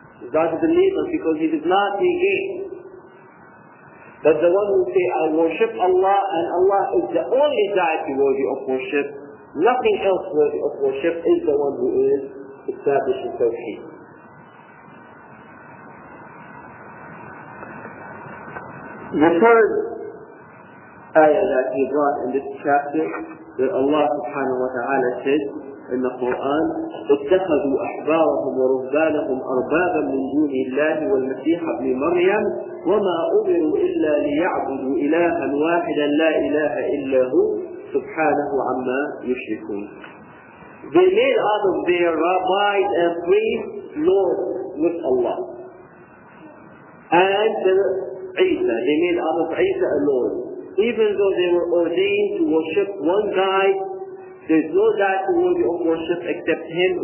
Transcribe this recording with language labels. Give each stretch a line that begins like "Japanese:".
English: That's a believer because he did not negate. But the one who say, I worship Allah, and Allah is the only deity worthy of worship, nothing else worthy of worship, is the one who is establishing tawheed. The third ayah that he brought in this chapter, that Allah subhanahu wa ta'ala said in the Quran,
Arabic: اتخذوا أحبارهم ورهبانهم أربابا من دون الله والمسيح ابن مريم وما أمروا إلا ليعبدوا إلها واحدا لا إله إلا هو سبحانه عما يشركون.
English: They made out of their rabbis and priests Lord with Allah. And Isa, they made out of Isa a Lord. Even though they were ordained to worship one guy, there's no deity worthy of worship except Him.